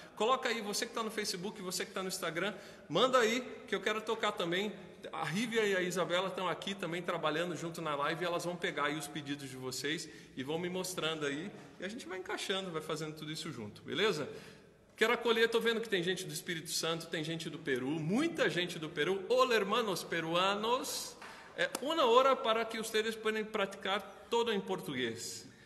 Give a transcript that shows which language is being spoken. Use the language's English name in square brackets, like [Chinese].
[Portuguese] Coloca aí, você que está no Facebook, você que está no Instagram, manda aí que eu quero tocar também. A Rívia e a Isabela estão aqui também trabalhando junto na live e elas vão pegar aí os pedidos de vocês e vão me mostrando aí. E a gente vai encaixando, vai fazendo tudo isso junto, beleza? Quero acolher, estou vendo que tem gente do Espírito Santo, tem gente do Peru, muita gente do Peru. [Spanish] Hola, hermanos peruanos. [Portuguese] É uma hora para que vocês podem praticar todo em português.